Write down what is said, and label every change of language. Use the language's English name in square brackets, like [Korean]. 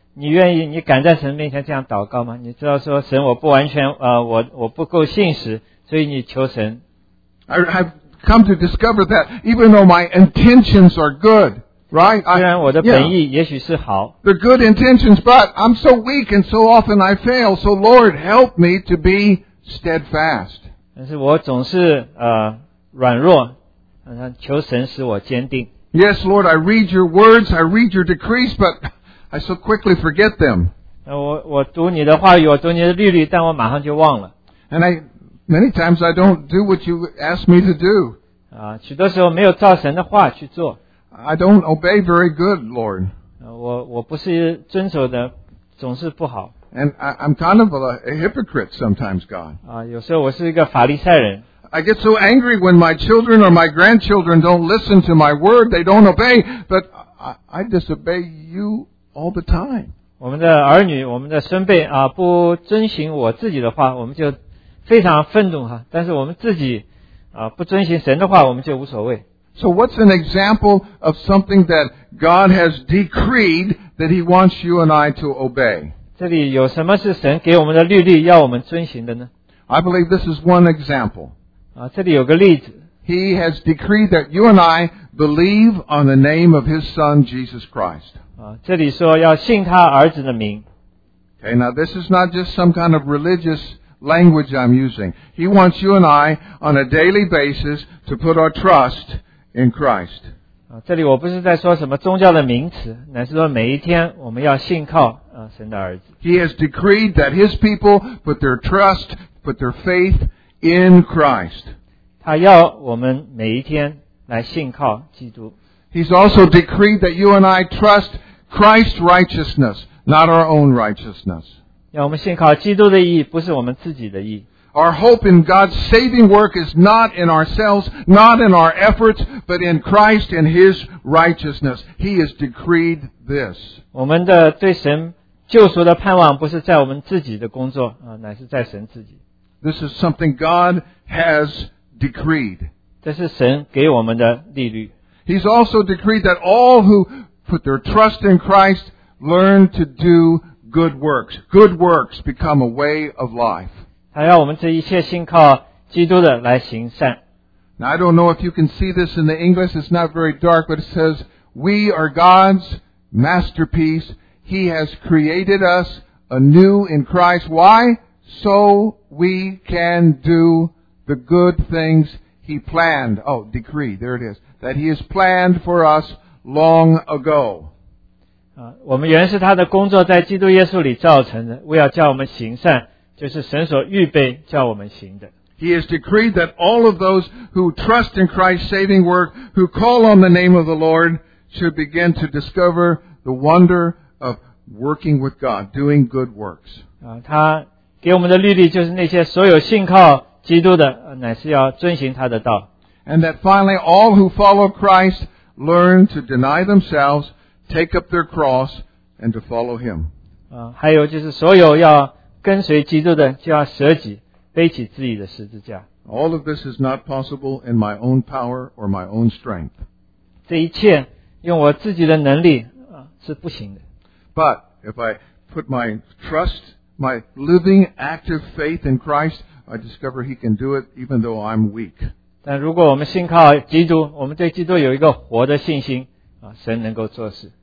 [Chinese] 你愿意你敢在神面前这样祷告吗？你知道说神我不完全我不够信实，所以你求神。 [English] I come to discover that even though my intentions are good, right? [Chinese] 虽然我的本意也许是好。 [English] Yeah, they're good intentions, but I'm so weak and so often I fail. So Lord, help me to be steadfast. [Chinese] 但是我总是软弱，求神使我坚定。 [English] Yes, Lord, I read your words, I read your decrees, but I so quickly forget them. [Chinese] 我读你的话语，我读你的律例，但我马上就忘了。 [English] Many times I don't do what you ask me to do. [Chinese] 许多时候没有照神的话去做。 [English] I don't obey very good, Lord. [Chinese] 我不是遵守的总是不好。 [English] And I'm kind of a hypocrite sometimes, God. [Chinese] 有时候我是一个法利赛人。 [English] I get so angry when my children or my grandchildren don't listen to my word, they don't obey, but I disobey you all the time. [Chinese] 我们的儿女我们的孙辈不遵循我自己的话我们就非常愤怒哈，但是我们自己不遵循神的话，我们就无所谓。 [English] So what's an example of something that God has decreed that He wants you and I to obey? [Chinese] 这里有什么是神给我们的律例要我们遵循的呢 [English] ？I believe this is one example. [Chinese] 这里有个例子。 [English] He has decreed that you and I believe on the name of His Son Jesus Christ. [Chinese] 这里说要信他儿子的名。 [English] Okay, now this is not just some kind of religious. Language I'm using. He wants you and I on a daily basis to put our trust in Christ. [Chinese] 这里我不是在说什么宗教的名词，乃是说每一天我们要信靠神的儿子。 [English] He has decreed that His people put their trust, put their faith in Christ. [Chinese] 他要我们每一天来信靠基督。 [English] He's also decreed that you and I trust Christ's righteousness, not our own righteousness. [Chinese] 让我们信靠基督的义，不是我们自己的义。 [English] Our hope in God's saving work is not in ourselves, not in our efforts, but in Christ and His righteousness. He has decreed this. [Chinese] 我们的对神救赎的盼望，不是在我们自己的工作乃是在神自己。 [English] This is something God has decreed. [Chinese] 这是神给我们的律例。 [English] He's also decreed that all who put their trust in Christ learn to do. Good works. Good works become a way of life. [Chinese] 他要我们这一切信靠基督的来行善。 [English] Now, I don't know if you can see this in the English. It's not very dark, but it says, We are God's masterpiece. He has created us anew in Christ. Why? So we can do the good things He planned. Oh, decree. There it is. That He has planned for us long ago. [Chinese] 我们原是他的工作在基督耶稣里造成的为要叫我们行善就是神所预备叫我们行的。 [English] He has decreed that all of those who trust in Christ's saving work, who call on the name of the Lord, should begin to discover the wonder of working with God, doing good works. [Chinese] 他给我们的律例就是那些所有信靠基督的乃是要遵行他的道。 [English] And that finally all who follow Christ learn to deny themselves, take up their cross, and to follow Him. [Chinese] 还有就是所有要跟随基督的就要舍己背起自己的十字架。 [English] All of this is not possible in my own power or my own strength. [Chinese] 这一切用我自己的能力是不行的。 [English] But if I put my trust, my living active faith in Christ, I discover He can do it even though I'm weak. [Chinese] 但如果我们信靠基督，我们对基督有一个活的信心，神能够做事。